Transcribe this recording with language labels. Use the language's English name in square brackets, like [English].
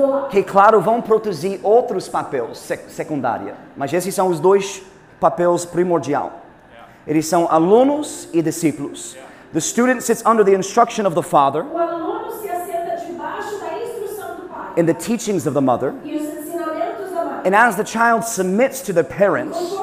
[Portuguese] Que claro vão produzir outros papéis secundários, mas esses são os dois papéis primordial. Eles são alunos e discípulos. [English] The student sits under the instruction of the father. [Portuguese] O aluno se assenta debaixo da instrução do pai. [English] In the teachings of the mother. [Portuguese] E os ensinamentos da mãe. [English] And as the child submits to their parents.